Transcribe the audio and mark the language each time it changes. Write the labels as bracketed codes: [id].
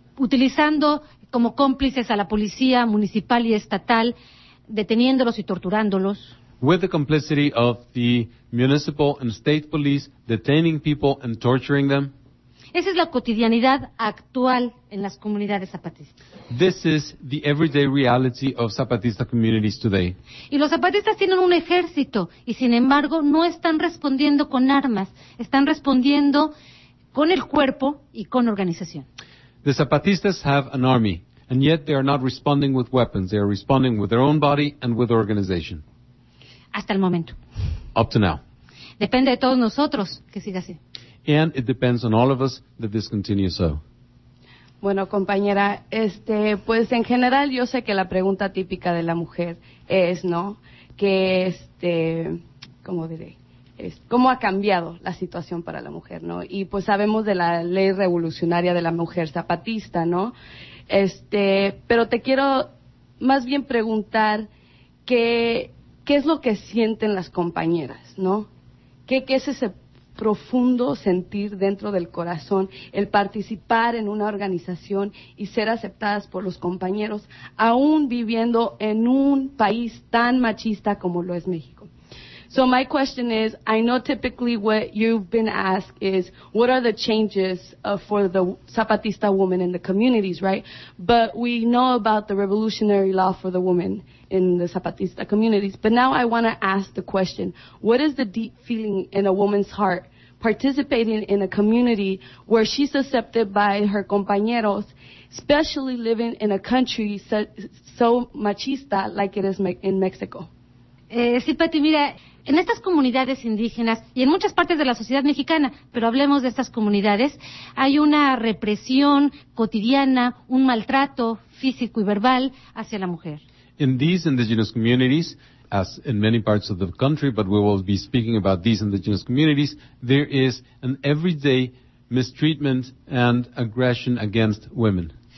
[es] Utilizando como cómplices a la policía municipal y estatal, deteniéndolos y torturándolos. [en] With the complicity of the municipal and state police, detaining people and torturing them. [es] Esa es la cotidianidad actual en las comunidades zapatistas. [en] This is the everyday reality of Zapatista communities today. [es] Y los zapatistas tienen un ejército y sin embargo no están respondiendo con armas, están respondiendo con el cuerpo y con organización. [en] The Zapatistas have an army and yet they are not responding with weapons, they are responding with their own body and with organization. [es] Hasta el momento. [en] Up to now. [es] Depende de todos nosotros que siga así. [en] And it depends on all of us that this continues so. [es] Bueno, compañera, pues en general yo sé que la pregunta típica de la mujer es, ¿no? Que ¿cómo diré? ¿Cómo ha cambiado la situación para la mujer, ¿no? Y pues sabemos de la ley revolucionaria de la mujer zapatista, ¿no? Pero te quiero más bien preguntar qué es lo que sienten las compañeras, ¿no? ¿Qué es ese profundo sentir dentro del corazón el participar en una organización y ser aceptadas por los compañeros aún viviendo en un país tan machista como lo es México? [en] So my question is, I know typically what you've been asked is, what are the changes for the Zapatista woman in the communities, right? But we know about the revolutionary law for the woman in the Zapatista communities. But now I want to ask the question, what is the deep feeling in a woman's heart participating in a community where she's accepted by her compañeros, especially living in a country so machista like it is in Mexico? [es] Sí, Pati, mira, en estas comunidades indígenas y en muchas partes de la sociedad mexicana, pero hablemos de estas comunidades, hay una represión cotidiana, un maltrato físico y verbal hacia la mujer. [en] In these indigenous communities, as in many parts of the country, but we will be speaking about these indigenous communities, there is an everyday mistreatment and aggression against women.